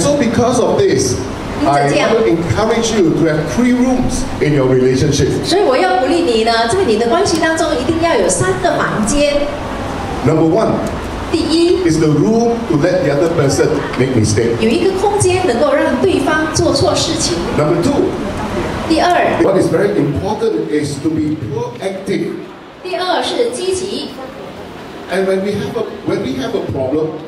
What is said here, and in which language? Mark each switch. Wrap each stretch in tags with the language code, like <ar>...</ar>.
<en>so because of this, I want to encourage you to have 3 rooms in your relationship.</en> <zh>所以我要鼓励你呢，在你的关系当中一定要有三个房间。</zh> <en>Number 1.</en> <zh>第一,</zh> <en>is the room to let the other person make mistakes.</en> <zh>有一个空间能够让对方做错事情。</zh> <en>Number 2.</en> <zh>第二,</zh> <en>what is very important is to be proactive.</en> <zh>第二是积极。</zh> <en>And when we have a problem,</en>